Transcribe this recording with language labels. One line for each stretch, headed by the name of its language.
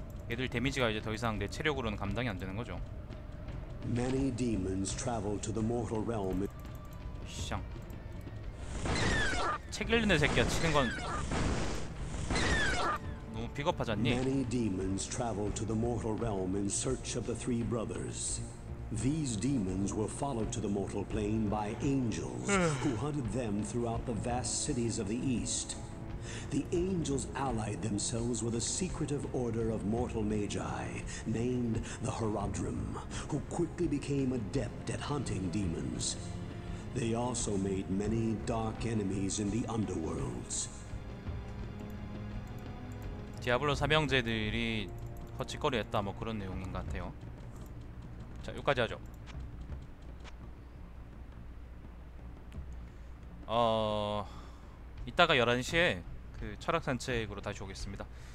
Korean: 얘들 데미지가 이제 더 이상 내 체력으로는 감당이 안 되는 거죠.
English: Many demons travel to the mortal realm.
Korean: 샹. 책 읽는 애 새끼야. 치는 건 너무 픽업하잖니.
English: Many demons travel to the mortal realm in search of the three brothers. These demons were followed to the mortal plane by angels who hunted them throughout the vast cities of the east. The angels allied themselves with a secretive order of mortal magi named the Herodrim, who quickly became adept at hunting demons. They also made many dark enemies in the underworlds.
Korean: 디아블로 사명제들이 헛짓거리했다 뭐 그런 내용인 것 같아요. 자, 여기까지 하죠. 이따가 11시에 그 철학산책으로 다시 오겠습니다.